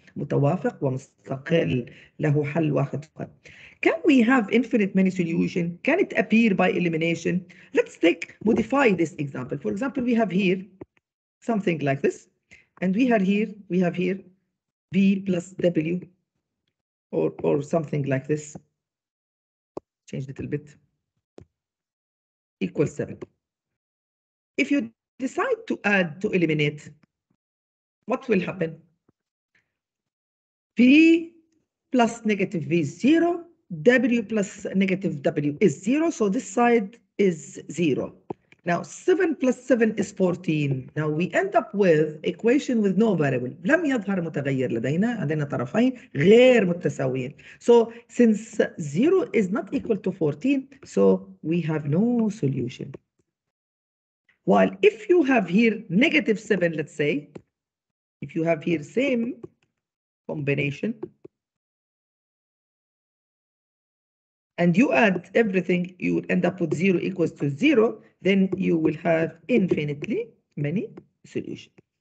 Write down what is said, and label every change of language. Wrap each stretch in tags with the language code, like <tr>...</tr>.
<ar>متوافق ومستقل له حل واحد.</ar> <en>Can we have infinite many solutions? Can it appear by elimination? Let's take, modify this example. For example, we have here something like this. And we have here V plus W or something like this. Change a little bit. Equals 7. If you decide to add to eliminate, what will happen? V plus negative V is 0, W plus negative W is 0, so this side is 0. Now, 7 plus 7 is 14. Now, we end up with equation with no variable.</en> <ar>لم يظهر متغير لدينا, عندنا طرفين غير متساويين.</ar> <en>So, since 0 is not equal to 14, so we have no solution. While if you have here negative 7, let's say, if you have here same combination, and you add everything, you would end up with 0 equals to 0, then you will have infinitely many solutions.</en>